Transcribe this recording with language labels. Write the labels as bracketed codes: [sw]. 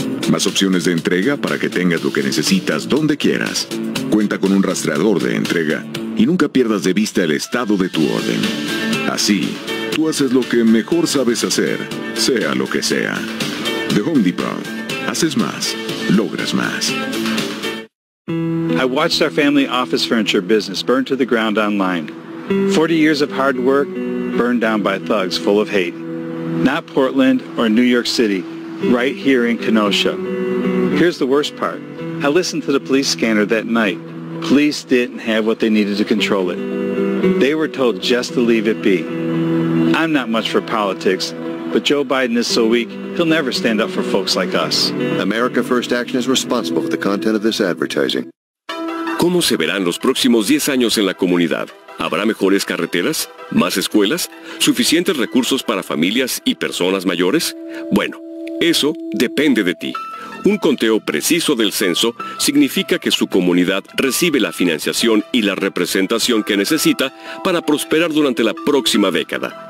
[es] Más opciones de entrega para que tengas lo que necesitas donde quieras. Cuenta con un rastreador de entrega y nunca pierdas de vista el estado de tu orden. Así, tú haces lo que mejor sabes hacer, sea lo que sea. The Home Depot. Haces más, logras más. [en] I watched our family office furniture business burn to the ground online. 40 years of hard work burned down by thugs full of hate. Not Portland or New York City, right here in Kenosha. Here's the worst part. I listened to the police scanner that night. Police didn't have what they needed to control it. They were told just to leave it be. I'm not much for politics, but Joe Biden is so weak, he'll never stand up for folks like us. America First Action is responsible for the content of this advertising. [es] ¿Cómo se verán los próximos 10 años en la comunidad? ¿Habrá mejores carreteras? ¿Más escuelas? ¿Suficientes recursos para familias y personas mayores? Bueno, eso depende de ti. Un conteo preciso del censo significa que su comunidad recibe la financiación y la representación que necesita para prosperar durante la próxima década.